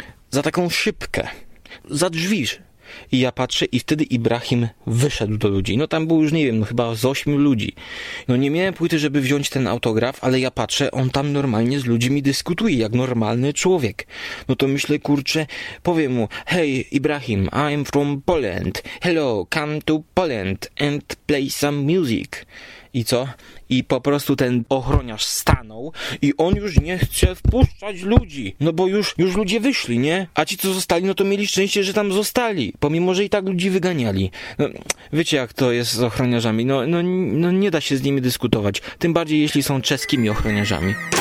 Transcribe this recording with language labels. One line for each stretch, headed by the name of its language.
Polish: Za taką szybkę, za drzwi. I ja patrzę i wtedy Ibrahim wyszedł do ludzi. No tam było już, nie wiem, no chyba z 8 ludzi. No nie miałem płyty, żeby wziąć ten autograf, ale ja patrzę, on tam normalnie z ludźmi dyskutuje, jak normalny człowiek. No to myślę, kurczę, powiem mu,
English: hey Ibrahim, I'm from Poland. Hello, come to Poland and play some music.
Polish: I co? I po prostu ten ochroniarz stanął i on już nie chce wpuszczać ludzi, no bo już ludzie wyszli, nie? A ci, co zostali, no to mieli szczęście, że tam zostali, pomimo, że i tak ludzi wyganiali. No, wiecie, jak to jest z ochroniarzami, no nie da się z nimi dyskutować, tym bardziej, jeśli są czeskimi ochroniarzami.